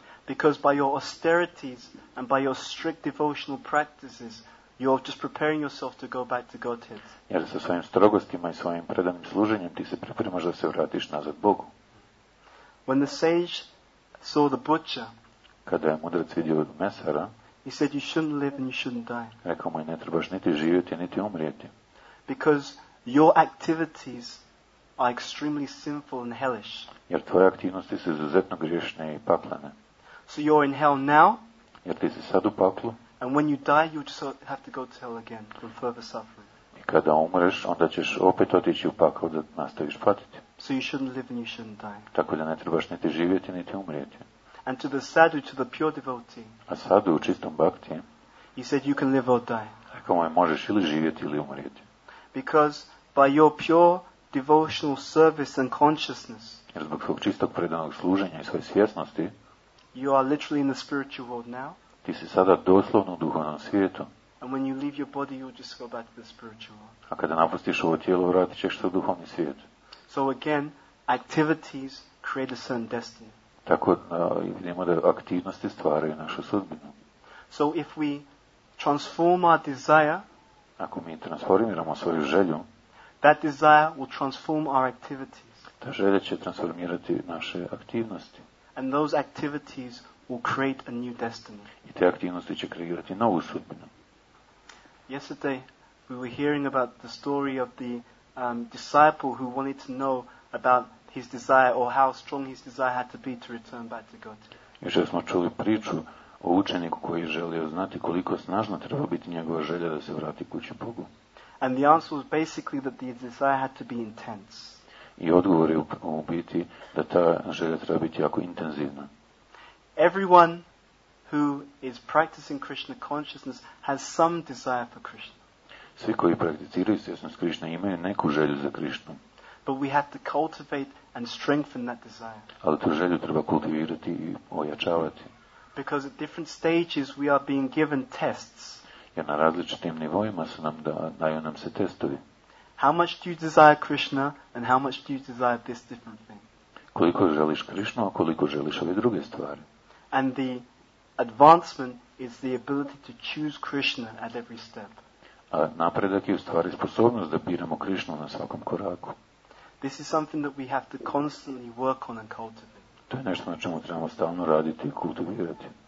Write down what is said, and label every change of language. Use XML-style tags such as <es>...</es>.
<en>Because by your austerities and by your strict devotional practices, you are just preparing yourself to go back to Godhead.</en> <hr>Jer sa svojim strogostima i svojim predanim služenjem ti se pripremaš da se vratiš nazad Bogu.</hr> <en>When the sage saw the butcher,</en> <hr>kada je mudrac vidio mesara,</hr> <en>he said you shouldn't live and you shouldn't die.</en> <hr>Rekao mu, ne trebaš niti živjeti, niti umrijeti.</hr> <en>Because your activities are extremely sinful and hellish.</en> <hr>Jer tvoje aktivnosti su izuzetno griješne i paklene.</hr> <en>So you're in hell now.</en> <hr>Jer ti si sad u paklu.</hr> <en>And when you die, you just have to go to hell again for further suffering.</en> <hr>I Kada umreš, onda ćeš opet otići u pakao da nastaviš patiti.</hr> <en>So you shouldn't live and you shouldn't die.</en> <hr>Tako da ne trebaš niti živjeti, niti umrijeti.</hr> <en>And to the sadhu, to the pure devotee.</en> <hr>A sadhu, čistom bhakti.</hr> <en>He said you can live or die.</en> <hr>Rekao mu je, možeš ili živjeti ili umrijeti.</hr> <en>Because by your pure devotional service and consciousness.</en> <hr>Jer zbog svog čistog predanog služenja i svoje svjesnosti.</hr> <en>You are literally in the spiritual world now.</en> <hr>Ti si sada doslovno u duhovnom svijetu.</hr> <en>And when you leave your body, you'll just go back to the spiritual world.</en> <hr>A kada napustiš ovo tijelo, vratit ćeš se u duhovni svijet.</hr> <en>So again, activities create a certain destiny.</en> <hr>Tako vidimo da aktivnosti stvaraju našu sudbinu.</hr> <en>So if we transform our desire,</en> <hr>ako mi transformiramo svoju želju,</hr> <en>that desire will transform our activities.</en> <hr>Ta želja će transformirati naše aktivnosti.</hr> <en>And those activities will create a new destiny.</en> <hr>I te aktivnosti će kreirati novu sudbinu.</hr> <en>Yesterday, we were hearing about the story of the disciple who wanted to know about his desire or how strong his desire had to be to return back to God.</en> <hr>Jučer smo čuli priču o učeniku koji želio znati koliko snažna treba biti njegova želja da se vrati kući Bogu.</hr> <en>And the answer was basically that the desire had to be intense.</en> <hr>I odgovor je u biti da ta želja treba biti jako intenzivna.</hr> <en>Everyone who is practicing Krishna consciousness has some desire for Krishna.</en> <hr>Svi koji prakticiraju svjesnost Krishna imaju neku želju za Krishnu.</hr> <en>But we have to cultivate and strengthen that desire.</en> <hr>Ali tu želju treba kultivirati i ojačavati.</hr> <en>Because at different stages we are being given tests.</en> <hr>Jer na različitim nivoima su nam daju nam se testovi.</hr> <en>How much do you desire Krishna and how much do you desire this different thing?</en> <hr>Koliko želiš Krishnu, a koliko želiš ove druge stvari?</hr> <en>And the advancement is the ability to choose Krishna at every step.</en> <hr>A napredak je u stvari sposobnost da biramo Krishnu na svakom koraku.</hr> <en>This is something that we have to constantly work on and cultivate.</en> <hr>To je nešto na čemu trebamo stalno raditi i kultivirati.</hr>